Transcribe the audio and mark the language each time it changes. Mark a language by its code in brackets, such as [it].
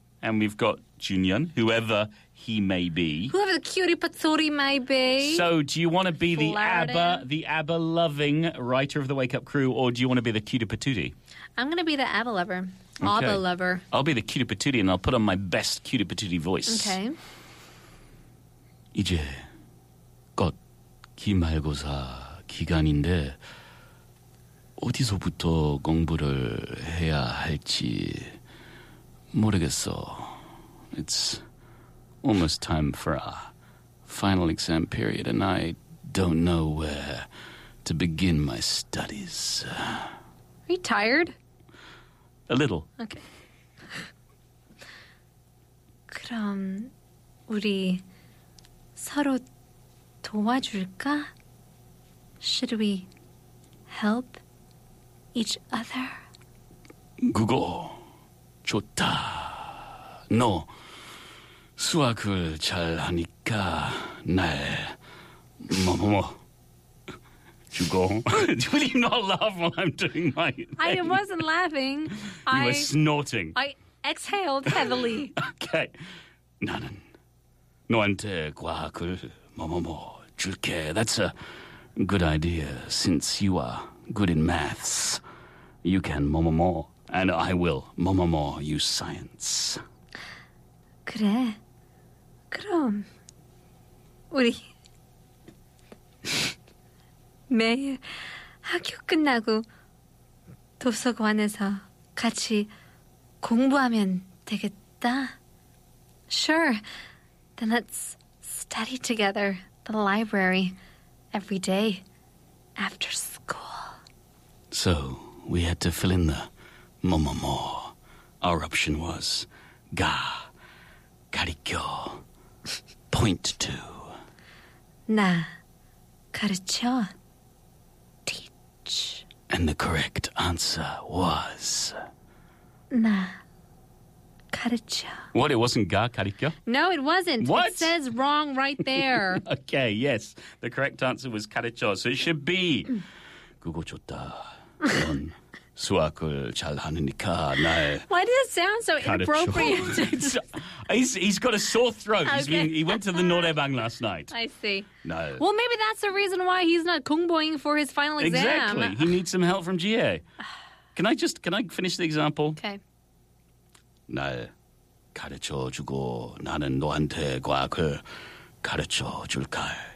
[en] And we've got Junyeon, whoever he may be. Whoever the cutie patootie may be. So do you want to be flirting. the ABBA-loving writer of the Wake Up Crew, or do you want to be the cutie patootie? I'm going to be the ABBA lover. Okay. ABBA lover. I'll be the cutie patootie, and I'll put on my best cutie patootie voice. Okay. [ko] 이제 곧 기말고사 기간인데 어디서부터 공부를 해야 할지 모르겠어. [en] It's almost time for our final exam period, and I don't know where to begin my studies. Are you tired? A little. Okay. [ko] 그럼 우리 서로 도와줄까? [en] Should we help each other? [ko] 그거 좋다. 너 수학을 잘하니까 날 뭐뭐뭐 주고. [en] Do you not laugh while I'm doing my thing? I wasn't laughing. You were snorting. I exhaled heavily. Okay. [ko] 나는 너한테 과학을 뭐뭐뭐 줄게. [en] That's a good idea. Since you are good in maths, you can 뭐뭐뭐, and I will 뭐뭐뭐 you science. [ko] 그래. 그럼 우리 매일 학교 끝나고 도서관에서 같이 공부하면 되겠다. [en] Sure. Then let's study together the library every day after school. So we had to fill in the mo-mo-mo. Our option was ga. 가리켜. Point to. 나 가르쳐. Teach. And the correct answer was... [ko] 나 가르쳐. [en] What, it wasn't 가 가르쳐? No, it wasn't. What? It says wrong right there. Okay, yes. The correct answer was 가르쳐. So it should be... [ko] 그거 좋다. 넌 수학을 잘하니까 날... [en] Why does it sound so 가르쳐. Inappropriate? He's got a sore throat. Okay. He went to the Norebang last night. I see. No. Well, maybe that's the reason why he's not kungboing for his final exam. Exactly. He needs some help from GA. Can I finish the example? Okay. [ko] 날 가르쳐 주고 나는 너한테 과학을 가르쳐 줄까.